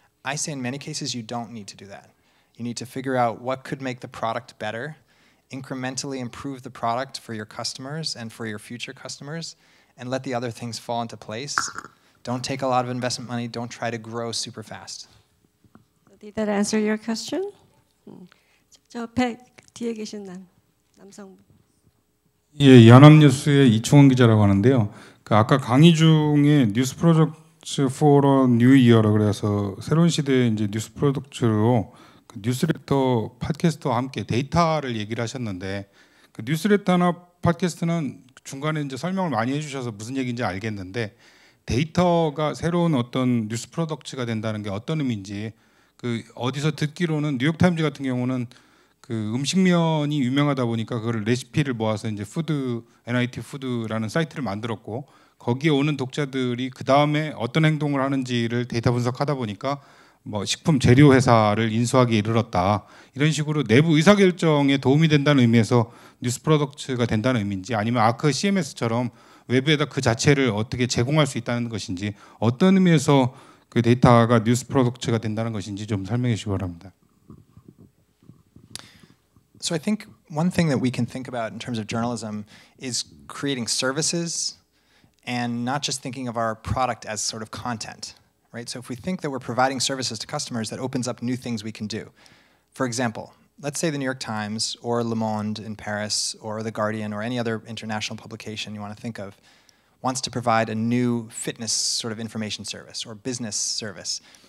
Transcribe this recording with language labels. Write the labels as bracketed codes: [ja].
[en] I say in many cases, you don't need to do that. You need to figure out what could make the product better, incrementally improve the product for your customers and for your future customers, and let the other things fall into place. Don't take a lot of investment money, don't try to grow super fast. Did that answer your question? [ko] 저 백 D 뒤에 계신 남성. 예, 연합뉴스의 이충원 기자라고 하는데요. 그 아까 강의 중에 뉴스 프로젝트 포러 뉴 이어라 그래서 새로운 시대의 이제 뉴스 프로젝트로 그 뉴스레터 팟캐스트와 함께 데이터를 얘기를 하셨는데 그 뉴스레터나 팟캐스트는 중간에 이제 설명을 많이 해주셔서 무슨 얘기인지 알겠는데 데이터가 새로운 어떤 뉴스 프로덕트가 된다는 게 어떤 의미인지 그 어디서 듣기로는 뉴욕타임즈 같은 경우는 그 음식면이 유명하다 보니까 그걸 레시피를 모아서 이제 푸드 NIT 푸드라는 사이트를 만들었고 거기에 오는 독자들이 그 다음에 어떤 행동을 하는지를 데이터 분석하다 보니까 뭐 식품 재료 회사를 인수하기에 이르렀다 이런 식으로 내부 의사결정에 도움이 된다는 의미에서 뉴스 프로덕트가 된다는 의미인지 아니면 아크 CMS처럼 외부에다 그 자체를 어떻게 제공할 수 있다는 것인지 어떤 의미에서 그 데이터가 뉴스 프로덕트가 된다는 것인지 좀 설명해 주시기 바랍니다. [en] So I think one thing that we can think about in terms of journalism is creating services and not just thinking of our product as sort of content. Right? So if we think that we're providing services to customers, that opens up new things we can do. For example, let's say the New York Times or Le Monde in Paris or The Guardian or any other international publication you want to think of wants to provide a new fitness sort of information service or business service.